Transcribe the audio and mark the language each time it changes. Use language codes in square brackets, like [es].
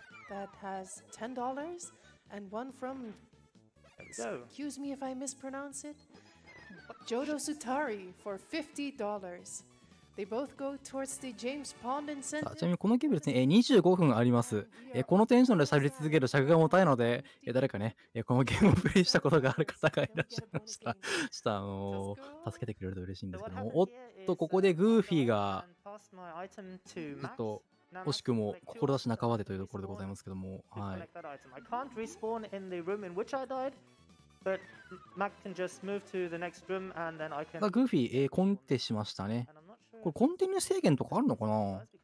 [en] that has $10 and one from, excuse me if I mispronounce it, Jodo Sutari for $50. They both go towards the James Pond Incentive. [ja] ちなみにこのゲームですね、25分あります。このテンションで喋り続ける尺が重たいので、誰かね、このゲームをプレイしたことがある方がいらっしゃいましたら、ちょっと助けてくれると嬉しいんですけども、おっと、ここでグーフィーが、ちょっと惜しくも志半ばでというところでございますけども、はい。 [en] I can't respawn in the room in which I died. But Mac can just move to the next room and then I can. [ja] まあグーフィー、コンテしましたね。これコンティニュー制限とかあるのかな。